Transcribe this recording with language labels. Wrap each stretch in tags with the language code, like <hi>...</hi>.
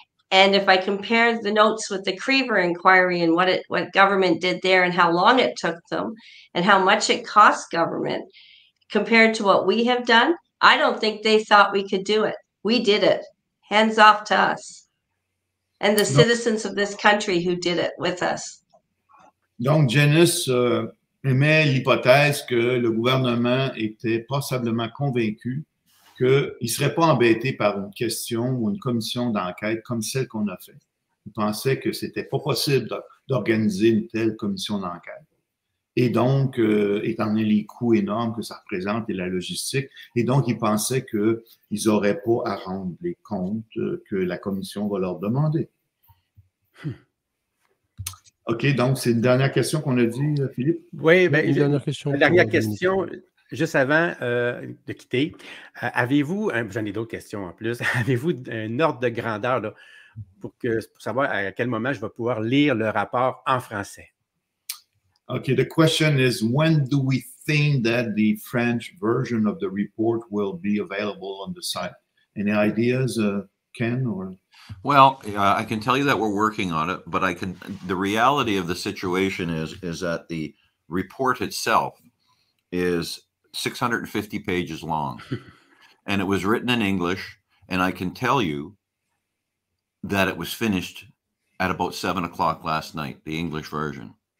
<en>And if I compare the notes with the Creever Inquiry and what government did there and how long it took them and how much it cost government compared to what we have done, I don't think they thought we could do it. We did it. Hands off to us. And the citizens of this country who did it with us.</en> <fr>Donc, Janice émet l'hypothèse que le gouvernement était possiblement convaincu qu'il ne serait pas embêté par une question ou une commission d'enquête comme celle qu'on a faite. Il pensait que ce n'était pas possible d'organiser une telle commission d'enquête. Et donc, étant donné les coûts énormes que ça représente et la logistique, et donc ils pensaient qu'ils n'auraient pas à rendre les comptes que la commission va leur demander. OK, donc c'est une dernière question qu'on a dit, Philippe? Oui, bien, une dernière question. La dernière question, juste avant de quitter, avez-vous, j'en ai d'autres questions en plus, avez-vous un ordre de grandeur là, pour savoir à quel moment je vais pouvoir lire le rapport en français?</fr> <en>Okay, the question is, when do we think that the French version of the report will be available on the site? Any ideas, Ken? Or? Well, I can tell you that we're working on it, but the reality of the situation is that the report itself is 650 pages long, and it was written in English, and I can tell you that it was finished at about 7 o'clock last night, the English version.</en>